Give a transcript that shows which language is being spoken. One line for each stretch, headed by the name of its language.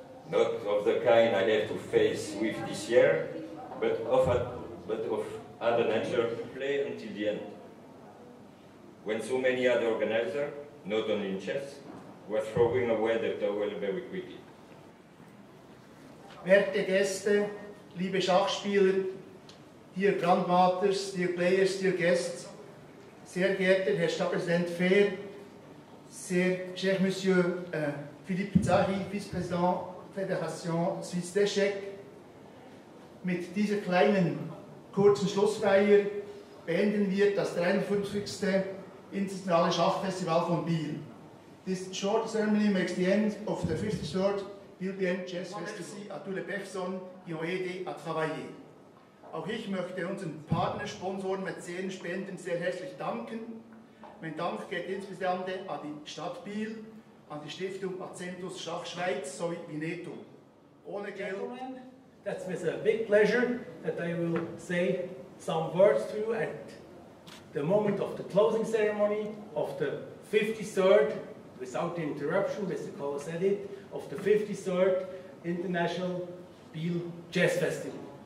English: Not of the kind I have to face with this year, but of other nature to play until the end. When so many other organizers, not only in chess, were throwing away the towel very quickly.
German: Werte Gäste, liebe Schachspieler,
English: dear Grandmasters, dear players, dear guests,
German: sehr geehrter Herr Stadtpräsident Fehr, sehr
French: cher Monsieur Philippe Zahi, Vice-Président Fédération Suisse d'Échecs,
German: mit dieser kleinen kurzen Schlussfeier beenden wir das 53. Internationale Schachfestival von Biel.
English: This short ceremony makes the end of the 53rd Biel-Bien Chess Festival.
French: Merci à tous les personnes qui ont aidé à travailler.
German: Auch ich möchte unseren Partnersponsoren mit 10 Spenden sehr herzlich danken. Mein Dank geht insbesondere an die Stadt Biel, an die Stiftung Accentus Schach Schweiz sowie Vineto. Ohne Geld.
English: That's with a big pleasure that I will say some words to you at the moment of the closing ceremony of the 53rd, without interruption, Mr. Kohler said it, of the 53rd International Biel Jazz Festival.